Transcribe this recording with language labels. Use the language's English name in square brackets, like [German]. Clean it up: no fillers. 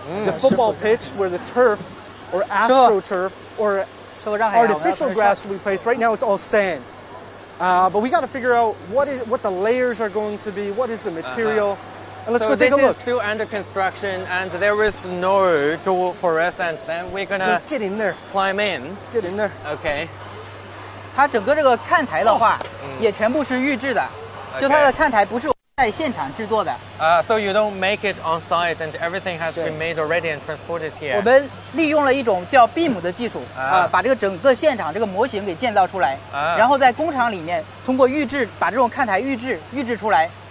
[English] The football pitch where the turf or astroturf or artificial grass will be placed. Right now, it's all sand. But we got to figure out what the layers are going to be. What is the material? And let's go take a look. So this is still under construction, and there is no door for us, and then we're gonna get in there. Climb in. Get in there. Okay. [Chinese] 它整个这个看台的话，也全部是预制的，就它的看台不是在现场制作的。 [English] So you don't make it on site, and everything has been made already and transported here. [Chinese] 我们利用了一种叫 beam 的技术，把这个整个现场这个模型给建造出来，然后在工厂里面通过预制把这种看台预制出来。